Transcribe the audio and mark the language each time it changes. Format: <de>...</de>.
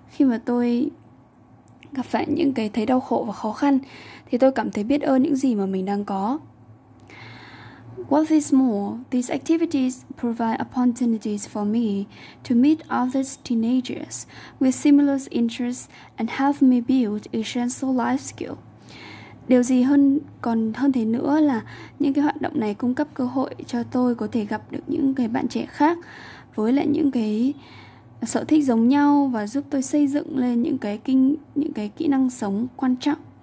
<vi>Khi mà tôi gặp phải những cái thấy đau khổ và khó khăn, thì tôi cảm thấy biết ơn những gì mà mình đang có.</vi> <en>What is more, these activities provide opportunities for me to meet other teenagers with similar interests and help me build essential life skills.</en> <vi>Điều gì hơn còn hơn thế nữa là những cái hoạt động này cung cấp cơ hội cho tôi có thể gặp được những cái bạn trẻ khác với lại những cái sở thích giống nhau và giúp tôi xây dựng lên những cái kỹ năng sống quan trọng.</vi>